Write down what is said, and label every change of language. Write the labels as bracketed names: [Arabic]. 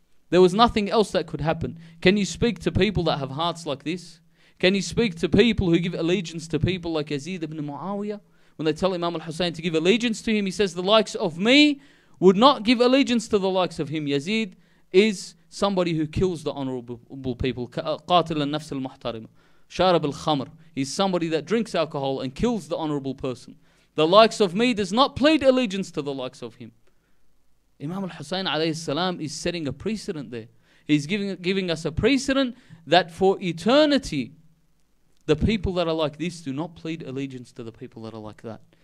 [English] There was nothing else that could happen. Can you speak to people that have hearts like this? Can you speak to people who give allegiance to people like Yazid ibn Muawiyah? When they tell Imam al-Husayn to give allegiance to him, he says, "The likes of me would not give allegiance to the likes of him." Yazid is somebody who kills the honorable people. [Arabic] قاتل النفس المحترم شارب الخمر. [English] He's somebody that drinks alcohol and kills the honorable person. The likes of me does not plead allegiance to the likes of him. Imam al-Husayn alayhi salam is setting a precedent there. He's giving us a precedent that for eternity, the people that are like this do not plead allegiance to the people that are like that.